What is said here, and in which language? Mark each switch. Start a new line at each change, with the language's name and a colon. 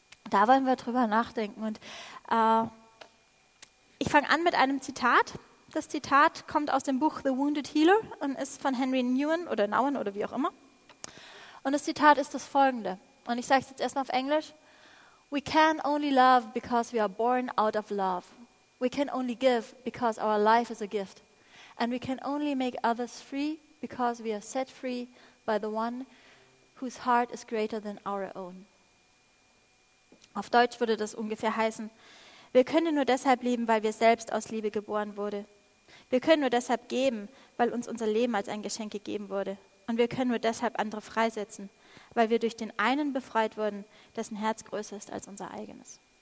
German: Da wollen wir drüber nachdenken. Und ich fange an mit einem Zitat. Das Zitat kommt aus dem Buch The Wounded Healer und ist von Henry Nouwen oder Nouwen oder wie auch immer. Und das Zitat ist das folgende. Und ich sage es jetzt erstmal auf Englisch.
English: We can only love because we are born out of love. We can only give because our life is a gift. And we can only make others free because we are set free by the one whose heart is greater than our own.
German: Auf Deutsch würde das ungefähr heißen, wir können nur deshalb lieben, weil wir selbst aus Liebe geboren wurden. Wir können nur deshalb geben, weil uns unser Leben als ein Geschenk gegeben wurde. Und wir können nur deshalb andere freisetzen, weil wir durch den einen befreit wurden, dessen Herz größer ist als unser eigenes.